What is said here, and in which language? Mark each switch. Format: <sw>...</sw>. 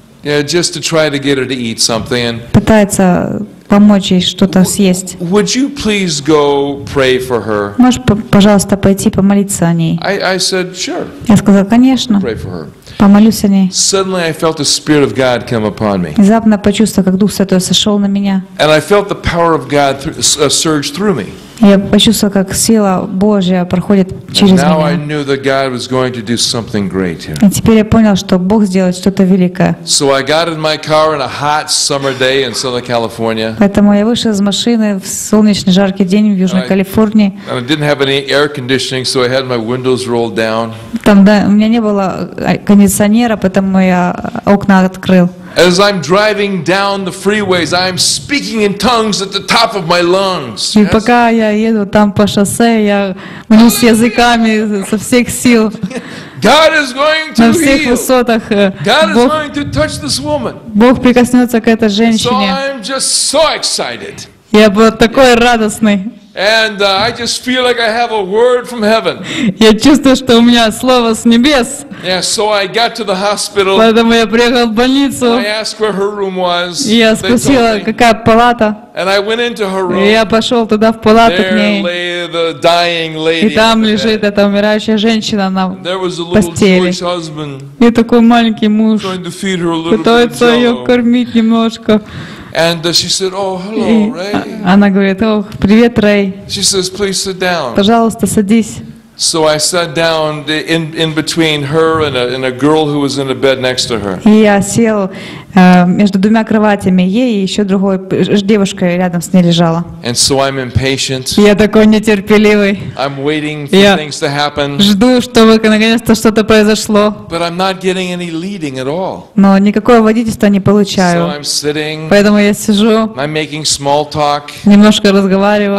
<en>Yeah, just to try to get her to eat something.</en> <ru>Пытается помочь ей что-то съесть.</ru> <en>Would you please go pray for her?</en> <ru>Можешь, пожалуйста, пойти помолиться о ней?</ru> <en>I said, sure.</en> <ru>Я сказал, конечно.</ru> <en>Pray for her.</en> <ru>Помолюсь о ней.</ru> <en>Suddenly I felt the Spirit of God come upon me.</en> <ru>Внезапно почувствовал, как Дух Святой сошел на меня.</ru> <en>And I felt the power of God surge through me.</en> <ru>Я почувствовал, как сила Божья проходит через меня.</ru> <en>Now I knew that God was going to do something great here.</en> <ru>И теперь я понял, что Бог сделает что-то великое.</ru> <en>So I got in my car on a hot summer day in Southern California.</en> <ru>Поэтому я вышел из машины в солнечный жаркий день в Южной Калифорнии.</ru> <en>And I didn't have any air conditioning, so I had my windows rolled down.</en> <ru>Там, да, у меня не было кондиционера, поэтому я окна открыл.</ru> <en>As I'm driving down the freeways, I'm speaking in tongues at the top of my lungs.</en> <ru>И пока я еду там по шоссе, я молюсь языками со всех сил.</ru> <en>God is going to heal.</en> <ru>На всех высотах.</ru> <en>God is going to touch this woman.</en> <ru>Бог прикоснется к этой женщине.</ru> <en>So I'm just so excited.</en> <ru>Я был такой радостный.</ru> <en>And I just feel like I have a word from heaven.</en> <ru>Я чувствую, что у меня слово с небес.</ru> <en>Yeah, so I got to the hospital.</en> <ru>Поэтому я приехал в больницу.</ru> <en>I asked where her room was.</en> <ru>Я спросила, какая палата.</ru> <en>And I went into her room.</en> <ru>И я пошел туда в палату к ней.</ru> <en>There lay the dying lady.</en> <ru>И там лежит эта умирающая женщина на постели.</ru> <en>There was a little Jewish husband.</en> <ru>И такой маленький муж.</ru> <en>Trying to feed her a little.</en> <ru>Пытается ее кормить немножко.</ru> <en>And she said, "Oh, hello, Рэй."</en> <ru>Она говорит, "Ох, привет, Рэй."</ru> <en>She says, "Please sit down."</en> <ru>Пожалуйста, садись.</ru> <en>So I sat down in between her and a girl who was in a bed next to her.</en> <ru>И я сел между двумя кроватями, ей и еще другой девушкой рядом с ней лежала.</ru> <en>And so I'm impatient.</en> <ru>Я такой нетерпеливый.</ru> <en>I'm waiting for things to happen.</en> <ru>Жду, чтобы наконец-то что-то произошло.</ru> <en>But I'm not getting any leading at all.</en> <ru>Но никакого водительства не получаю.</ru> <en>So I'm sitting.</en> <ru>Поэтому я сижу.</ru> <en>I'm making small talk.</en> <ru>Немножко разговариваю.</ru>